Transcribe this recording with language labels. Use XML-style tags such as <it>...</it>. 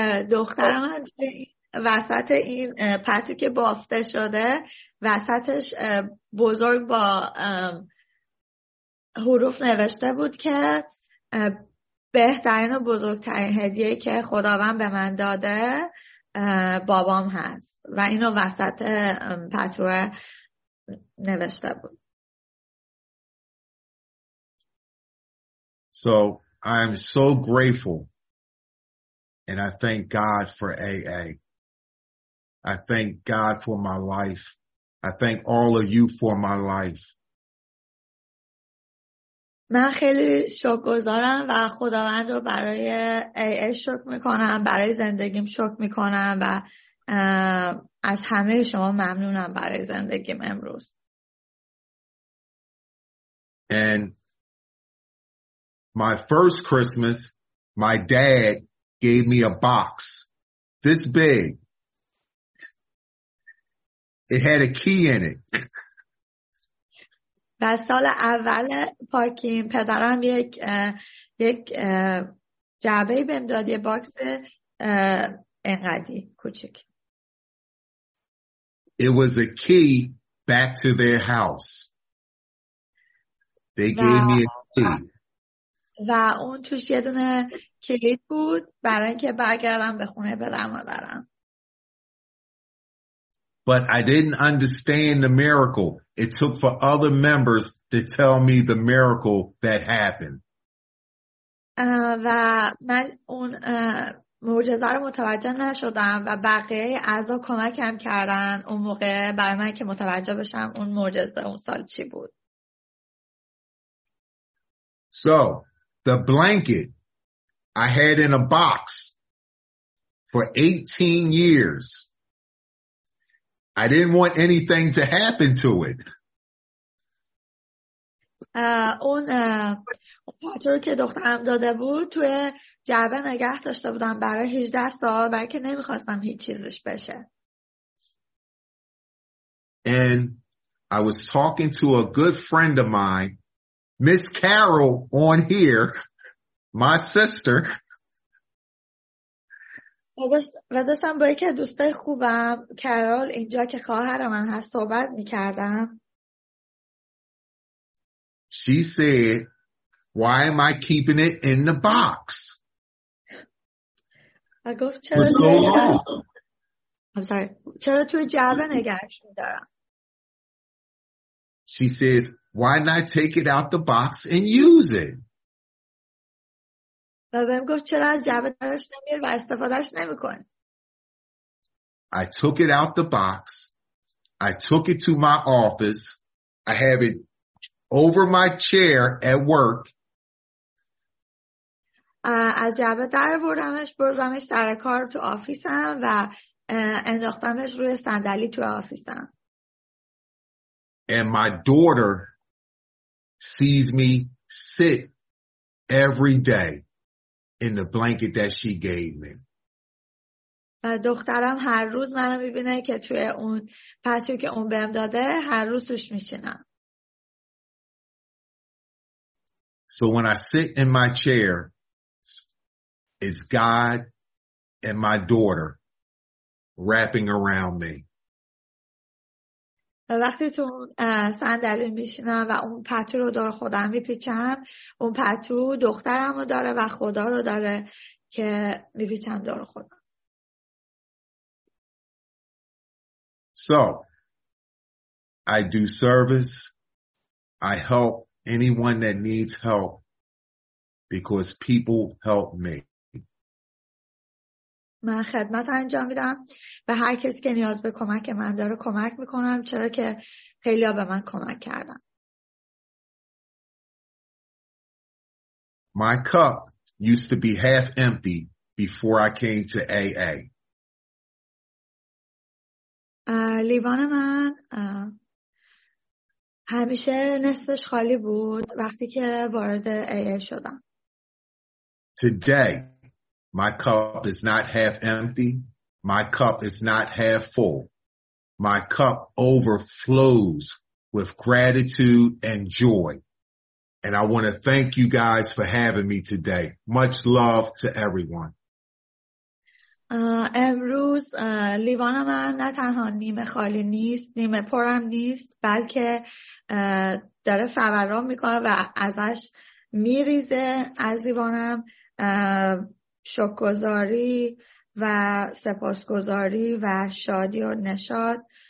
<fa>دختر من وسط این پتو که بافته شده وسطش بزرگ با حروف نوشته بود که بهترین و بزرگترین هدیه که خداوند به من داده بابام هست و اینو وسط پتو نوشته بود.</fa> <en>So I am so grateful and I thank God for AA. I thank God for my life. I thank all of you for my life.</en> <fa>من خیلی شکرگزارم و خداوند رو برای AA شکر میکنم، برای زندگیم شکر میکنم و از همه شما ممنونم برای زندگیم امروز.</fa> <en>And my first Christmas, my dad gave me a box this big. It had a key in it.</en> <fa>و سال اول پارکینگ پدرم یک جعبه بهم داد، یه باکس انقدی کوچک.</fa> <en>It was a key back to their house. They gave me a key.</en> <fa>و اون توش یه دونه کلید بود برای اینکه برگردم به خونه پدر مادرم.</fa> <en>But I didn't understand the miracle. It took for other members to tell me the miracle that happened.</en> <fa>و من اون معجزه رو متوجه نشدم و بقیه اعضا کمکم کردن اون موقع برای من که متوجه بشم اون معجزه اون سال چی بود.</fa> <en>So the blanket I had in a box for 18 years. I didn't want anything to happen to it.</en> <fa>اون پاتر که دخترم داده بود توی جعبه نگه داشته بودم برای 18 سال برای که نمیخواستم هیچ چیزش بشه.</fa> <en>And I was talking to a good friend of mine, Miss Carol on here. My sister.</en> <fa>داشتم با یکی دوستای خوبم کارول اینجا که خواهر من هست صحبت میکردم.</fa> <en>She said, "Why am I keeping it in the box?" I go,</en> <fa>"چرا توی</fa> <en>so long." I'm sorry.</en> <fa>چرا توی جعبه نگهش می‌دارم؟</fa> <en>She says, "Why not take it out the box and use it?"</en> <fa>و بهم گفت چرا از جعبه درش نمیاری و استفادهش نمی کن.</fa> <en>I took it out the box. I took it to my office. I have it over my chair at work.</en> <fa>از جعبه در بردمش، بردمش سر کار تو آفیسم و انداختمش روی صندلی تو آفیسم.</fa> <en>And my daughter sees me sit every day in the blanket that she gave me.</en> <fa>و دخترم هر روز منو میبینه که توی اون پتو که اون بهم داده هر روز روش میشینم.</fa> <en>So when I sit in my chair, it's God and my daughter wrapping around me.</en> <fa>وقتی تو صندلی میشینم و اون پتو رو دور خودم میپیچم، اون پتو دخترم رو داره و خدا رو داره که میپیچم دور خودم.</fa> <en>So, I do service. I help anyone that needs help because people help me.</en> <fa>من خدمت انجام میدم به هر کسی که نیاز به کمک من داره کمک میکنم چرا که خیلی‌ها به من کمک کردن.</fa> <en>My cup used to be half empty before I came to AA.</en> <fa>لیوان من همیشه نصفش خالی بود وقتی که وارد AA شدم.</fa> <en>Today my cup is not half empty. My cup is not half full. My cup overflows with gratitude and joy. And I want to thank you guys for having me today. Much love to everyone.</en> <fa>امروز لیوان من نه تنها نیمه خالی نیست، نیمه پرم نیست، بلکه داره فوران میکنه و ازش میریزه از لیوانم. شکرگزاری و سپاسگزاری و شادی و نشاط.</fa>